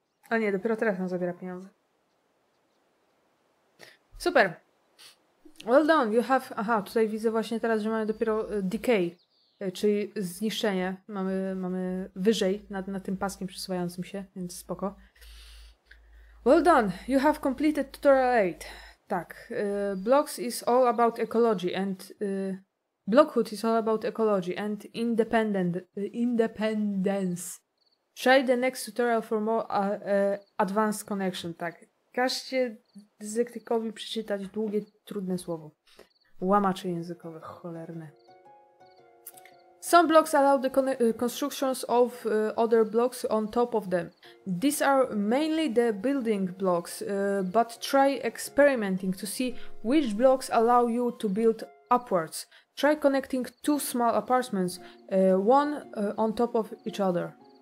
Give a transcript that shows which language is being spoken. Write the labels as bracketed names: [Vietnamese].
[Polish] A nie, dopiero teraz nam zabiera pieniądze. Super. [English] Well done, you have... [Polish] aha, tutaj widzę właśnie teraz, że mamy dopiero decay, czyli zniszczenie. Mamy wyżej nad tym paskiem przesuwającym się, więc spoko. [English] Well done, you have completed tutorial 8. Tak. Blocks is all about ecology and... Blockhood is all about ecology and independence. Try the next tutorial for more advanced connection, tak. [Polish] Każcie dyslektykowi przeczytać długie, trudne słowo. Łamacze językowe, cholerne. [English] Some blocks allow the constructions of other blocks on top of them. These are mainly the building blocks, but try experimenting to see which blocks allow you to build upwards. Try connecting two small apartments, one on top of each other.